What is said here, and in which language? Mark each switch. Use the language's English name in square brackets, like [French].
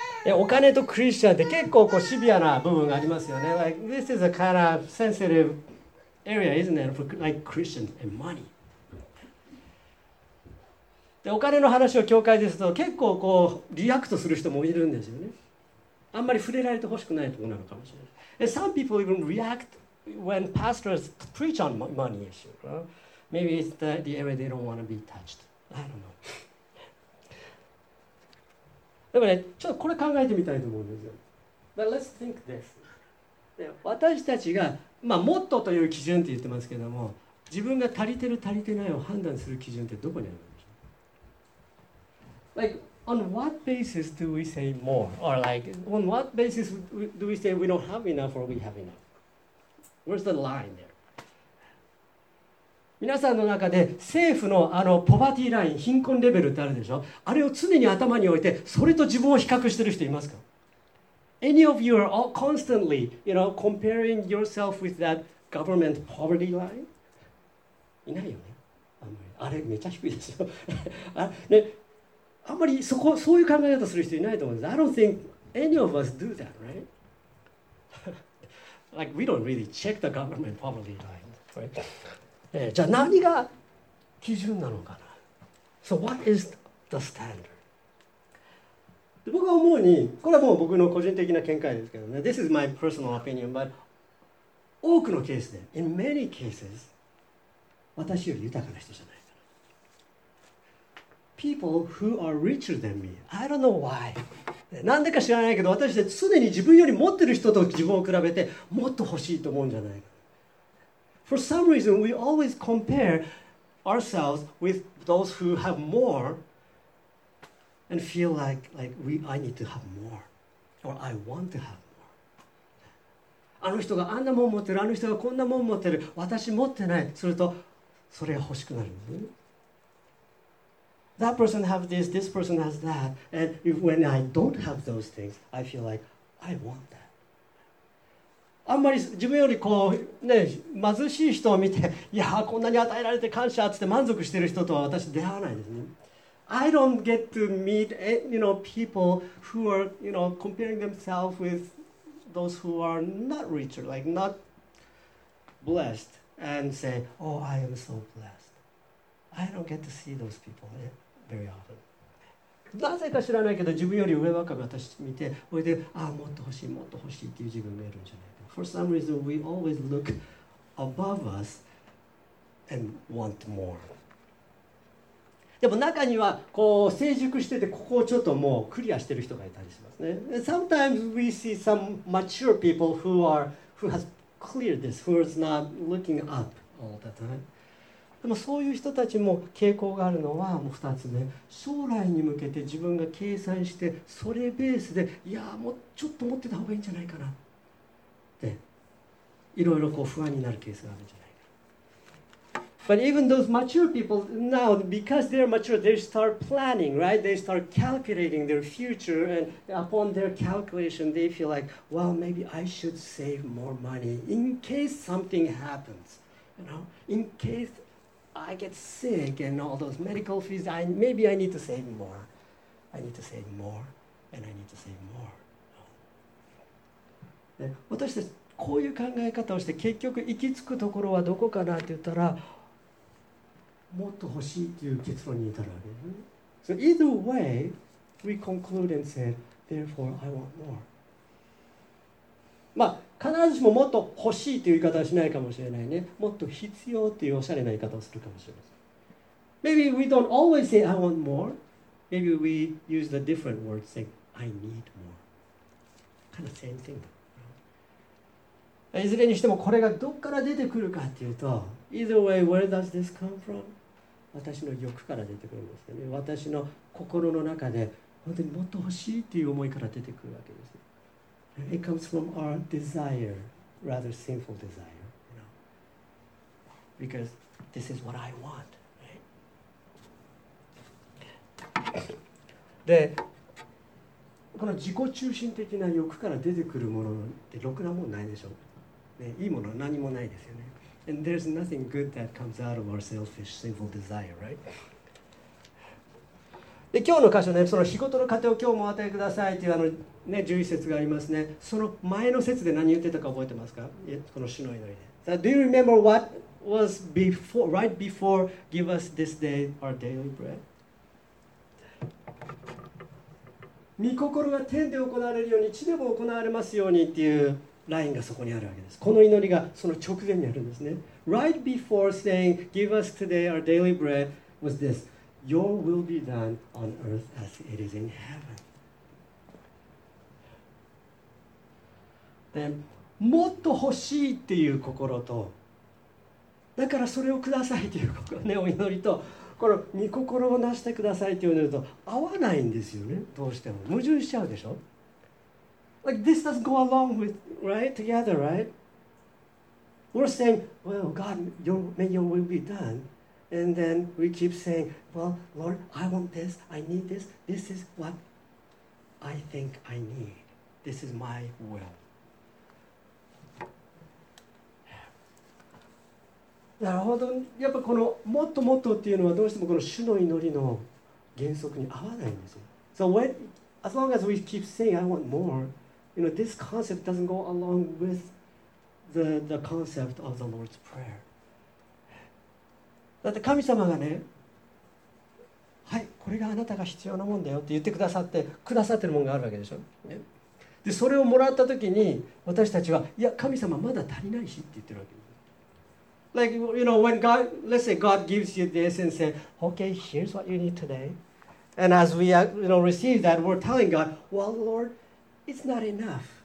[Japanese] お金とクリスチャンって結構こうシビアな部分がありますよね。 [English] Like, this is a kind of sensitive area, isn't it? For like Christians and money. [Japanese] で、お金の話を教会ですと結構こうリアクトする人もいるんですよね。あんまり触れられてほしくないところなのかもしれない。 [English] And some people even react when pastors preach on money issue. Well, maybe it's the area they don't want to be touched. I don't know. [Japanese] でもね、ちょっとこれ考えてみたいと思うんですよ。 [English] But let's think this. [Japanese] 私たちが、まあ、もっとという基準って言ってますけども、自分が足りてる足りてないを判断する基準ってどこにあるんでしょう。 [English] Like, on what basis do we say more? Or like, on what basis do we say we don't have enough or we have enough? Where's the line there? [Japanese] 皆さんの中で政府のあのポバティライン、貧困レベルってあるでしょ、あれを常に頭に置いてそれと自分を比較してる人いますか。 [English] Any of you are all constantly, you know, comparing yourself with that government poverty line? [Japanese] いないよね、あんまり。あれめちゃ低いですよ。ね、あんまりそこ、そういう考え方する人いないと思うんです。 [English] I don't think any of us do that, right? Like, we don't really check the government poverty line, right? [Japanese] じゃあ何が基準なのかな。 [English] So what is the standard? [Japanese] 僕は思うに、これはもう僕の個人的な見解ですけどね。 [English] This is my personal opinion, but [Japanese] 多くのケースで、 [English] in many cases、 [Japanese] 私より豊かな人じゃないから。 [English] People who are richer than me, I don't know why。 [Japanese] なんでか知らないけど、私は常に自分より持ってる人と自分を比べて、もっと欲しいと思うんじゃないか。 [English] For some reason, we always compare ourselves with those who have more and feel like we, I need to have more or I want to have more. [Japanese] あの人があんなもん持ってる、あの人がこんなもん持ってる、私持ってない、すると、それが欲しくなる。 [English] That person has this, this person has that, and if, when I don't have those things, I feel like I want that. [Japanese] あんまり自分よりこうね貧しい人を見て、いやこんなに与えられて感謝って満足している人とは私出会わないですね。 [English] I don't get to meet you know people who are you know comparing themselves with those who are not richer, like not blessed, and say, oh, I am so blessed. I don't get to see those people very often. [Japanese] なぜか知らないけど自分より上ばかり私見て、それでああもっと欲しいもっと欲しいっていう自分がいるんじゃないか。 [English] For some reason we always look above us and want more。 [Japanese] でも中にはこう成熟しててここをちょっともうクリアしてる人がいたりしますね。 [English] Sometimes we see some mature people who are who has cleared this, who is not looking up all the time。 [Japanese] でもそういう人たちも傾向があるのはもう2つ目、将来に向けて自分が計算してそれベースでいやもうちょっと持ってた方がいいんじゃないかなっていろいろこう不安になるケースがあるんじゃないか。 [English] But even those mature people now, because they're mature, they start planning, right? They start calculating their future and upon their calculation they feel like, well, maybe I should save more money in case something happens, you know, in caseI get sick and all those medical fees. I, maybe I need to save more. I need to save more and I need to save more. [Japanese] で、私たちこういう考え方をして結局行き着くところはどこかなって言ったら、もっと欲しいっていう結論に至るわけ。 [English] So either way, we conclude and say, therefore I want more. [Japanese] まあ必ずしももっと欲しいという言い方はしないかもしれないね。もっと必要というおしゃれな言い方をするかもしれません。 [English] Maybe we don't always say I want more. Maybe we use the different word saying I need more. Kind of same thing. [Japanese] いずれにしてもこれがどこから出てくるかというと、 [English] Either way, where does this come from? [Japanese] 私の欲から出てくるんですよね。私の心の中で本当にもっと欲しいという思いから出てくるわけです。 [English] It comes from our desire, rather sinful desire, you know, because this is what I want, right? [Japanese] で、この自己中心的な欲から出てくるものってろくなもんないでしょう。ね、いいものは何もないですよね。 [English] And there's nothing good that comes out of our selfish, sinful desire, right? [Japanese] で今日の箇所ね、その仕事の糧を今日もお与えくださいというあの、ね、11節がありますね。その前の節で何言ってたか覚えてますか、この主の祈りで。 [English] So, do you remember what was before, right before, give us this day our daily bread? [Japanese] 御心が天で行われるように、地でも行われますようにっていうラインがそこにあるわけです。この祈りがその直前にあるんですね。 [English] Right before saying, give us today our daily bread was this. Your will be done on earth as it is in heaven. [Japanese] で、もっと欲しいっていう心と、だからそれをくださいっていう心、ね、お祈りと、この御心をなしてくださいって祈ると合わないんですよね。どうしても矛盾しちゃうでしょ。 [English] Like this doesn't go along with right together, right? We're saying, well, God, your may your will be done. And then we keep saying, well, Lord, I want this, I need this, this is what I think I need. This is my will. [Japanese] なるほど。やっぱこのもっともっとっていうのはどうしてもこの主の祈りの原則に合わないんですよ。 [English] So when, as long as we keep saying, I want more, you know, this concept doesn't go along with the concept of the Lord's prayer. [Japanese] だって神様がね、はい、これがあなたが必要なもんだよって言ってくださって、くださってるもんがあるわけでしょ。でそれをもらった時に私たちはいや神様まだ足りないしって言ってるわけ。 [English] Like you know when God, let's say God gives you this and say, okay, here's what you need today. And as we you know receive that, we're telling God, well, Lord, it's not enough.